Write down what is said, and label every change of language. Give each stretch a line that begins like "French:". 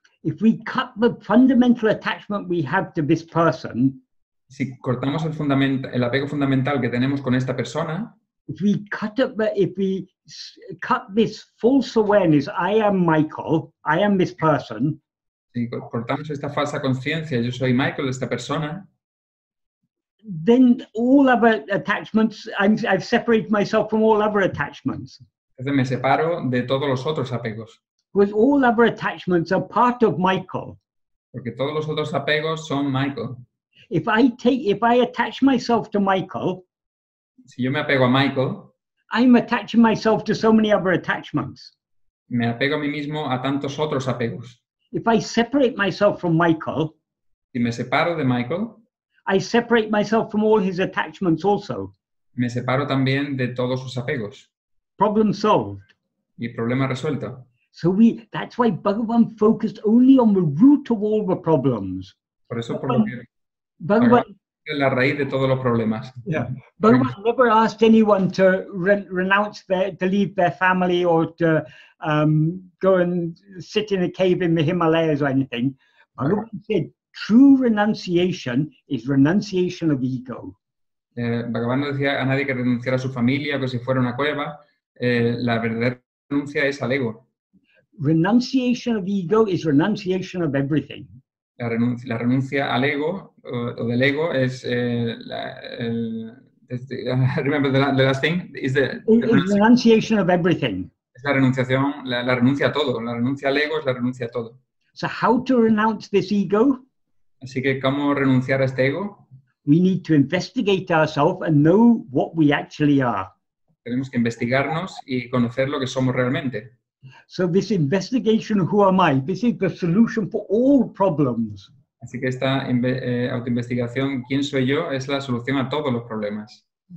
English: If we cut the fundamental attachment we have to this person.
Spanish: Si cortamos el apego fundamental que tenemos con esta persona.
English: If we cut this false awareness, I am Michael. I am this person.
Spanish: Si cortamos esta falsa conciencia, yo soy Michael, esta persona.
English: Then all other attachments, I've separated myself from all other attachments.
Spanish: Me separo de todos los otros apegos.
English: Because all other attachments are part of Michael.
Spanish: Porque todos los otros apegos son Michael.
English: If I attach myself to Michael,
Spanish: si yo me apego a Michael,
English: I'm attaching myself to so many other attachments.
Spanish: Me apego a mí mismo a tantos otros apegos.
English: If I separate myself from Michael,
Spanish: si me separo de Michael,
English: I separate myself from all his attachments also.
Spanish: Me separo también de todos sus apegos.
English: Problem solved.
Spanish: Y problema resuelto.
English: So that's why Bhagavan focused only on the root of all the problems.
Spanish: Por eso Bhagavan, la raíz de todos los problemas.
English: Yeah. Bhagavan never asked anyone to renounce to leave their family or to go and sit in a cave in the Himalayas or anything. Bhagavan said, true renunciation is renunciation of ego.
Spanish: Bhagavan no decía a nadie que renunciara a su familia o que si fuera una cueva. La verdadera renuncia es al ego.
English: Renunciation of ego is renunciation of everything.
Spanish: La renuncia al ego o del ego es
English: remember the last thing is the renunciation of everything.
Spanish: Es la renunciación, la renuncia a todo. La renuncia al ego es la renuncia a todo.
English: So how to renounce this ego?
Spanish: Así que, ¿cómo renunciar a este ego?
English: We need to investigate ourselves and know what we actually are.
Spanish: Tenemos que investigarnos y conocer lo que somos realmente.
English: So this investigation of who am I, this is the solution for all problems.
Spanish: Así que esta autoinvestigación, ¿quién soy yo?, es la solución a todos los problemas.